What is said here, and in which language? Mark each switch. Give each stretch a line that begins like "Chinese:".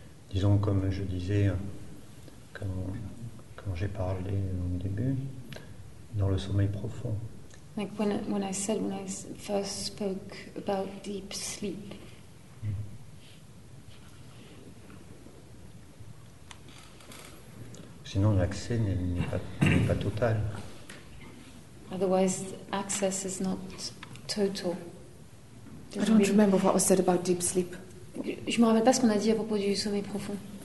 French: Disons, comme je disais quand j'ai parlé au début, dans le sommeil profond.
English: Like when I first spoke about deep sleep.
French: Sinon, l'accès n'est pas total.
English: Otherwise, access is not total. I don't remember what was said about deep sleep.
French: Je me rappelle pas ce qu'on a dit à propos du sommeil profond.